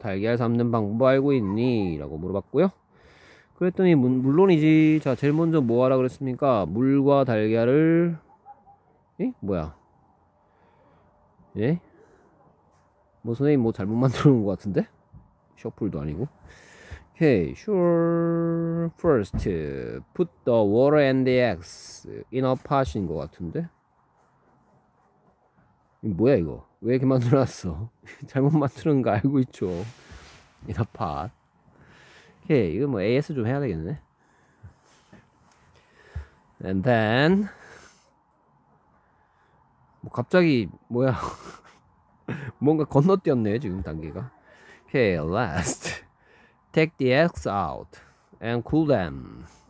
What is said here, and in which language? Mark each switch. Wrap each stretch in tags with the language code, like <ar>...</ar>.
<ko>달걀 삶는 방법 알고 있니?라고 물어봤고요. 그랬더니 물론이지. 자, 제일 먼저 뭐 하라 그랬습니까? 물과 달걀을, 예? 뭐야? 예? 뭐 선생님 뭐 잘못 만들어 놓은 것 같은데? 셔플도 아니고.</ko> <en>Okay, sure. First, put the water and the eggs in a pot</en> <ko>인 것 같은데? 뭐야 이거? 왜 이렇게 만들어놨어? 잘못 만드는 거 알고 있죠? 이 나팟. 오케이, 이거 뭐 AS 좀 해야 되겠네.</ko> <en>And then</en> <ko>뭐 갑자기 뭐야? 뭔가 건너뛰었네 지금 단계가.</ko> <en>오케이, last, take the eggs out and cool them.</en>